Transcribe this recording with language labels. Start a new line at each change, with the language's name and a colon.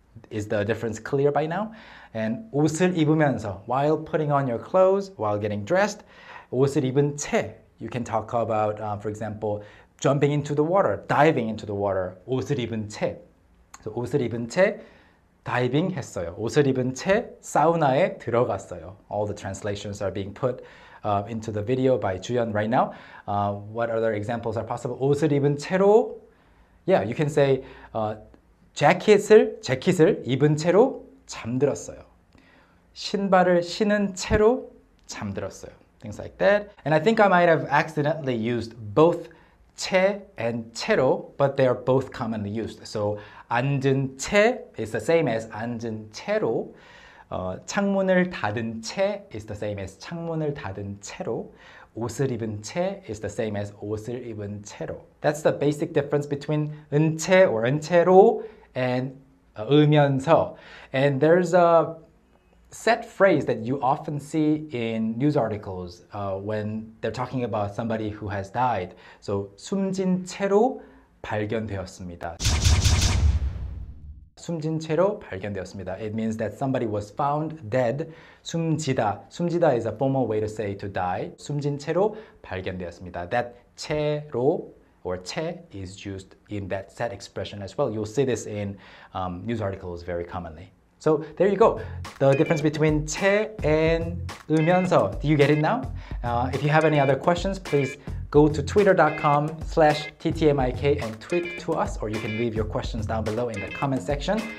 English: Is the difference clear by now? And 옷을 입으면서, while putting on your clothes, while getting dressed,
Korean: 옷을 입은 채.
English: You can talk about, for example, jumping into the water, diving into the water, 옷을 입은 채.
Korean: So 옷을 입은 채, diving 했어요. 옷을 입은 채, 사우나에 들어갔어요.
English: All the translations are being put into the video by Jooyeon right now. What other examples are possible? 옷을 입은 채로, yeah, you can say,
Korean: jacket을 입은 채로 잠들었어요. 신발을 신은 채로 잠들었어요.
English: Things like that. And I think I might have accidentally used both 채 and 채로, but they are both commonly used. So 앉은 채 is the same as 앉은 채로. 창문을 닫은 채 is the same as 창문을 닫은 채로. 옷을 입은 채 is the same as 옷을 입은 채로. That's the basic difference between 은채 or 은채로 and 으면서. And there's a set phrase that you often see in news articles when they're talking about somebody who has died.
Korean: So 숨진 채로 발견되었습니다. 숨진 채로 발견되었습니다.
English: It means that somebody was found dead. 숨지다. 숨지다 is a formal way to say to die.
Korean: 숨진 채로 발견되었습니다.
English: That 채로 or 채 is used in that set expression as well. You'll see this in news articles very commonly. So there you go. The difference between 채 and 으면서. Do you get it now? If you have any other questions, please go to twitter.com/TTMIK and tweet to us, or you can leave your questions down below in the comment section.